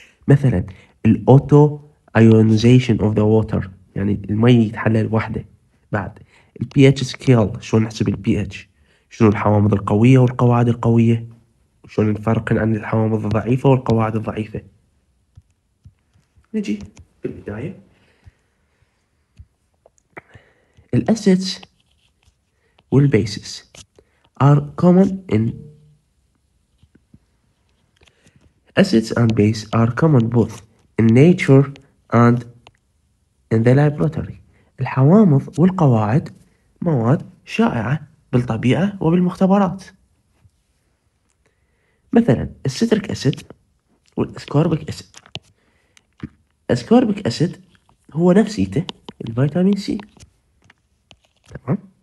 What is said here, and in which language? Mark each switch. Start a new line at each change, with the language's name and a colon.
Arabic: مثلا
English: الاوتو ionization of the water,
Arabic: يعني المي يتحلل وحده. بعد ال pH scale، شلون نحسب ال pH، شنو الحوامض القوية والقواعد القوية، شلون نفرق عن الحوامض الضعيفة والقواعد الضعيفة. نجي في البداية،
English: ال acids وال bases are common in acids and bases are common both in nature and in the laboratory.
Arabic: الحوامض والقواعد مواد شائعة بالطبيعة وبالمختبرات، مثلا السيتريك أسيد والأسكوربيك أسيد. الأسكوربيك أسيد هو نفسيته الفيتامين سي، تمام.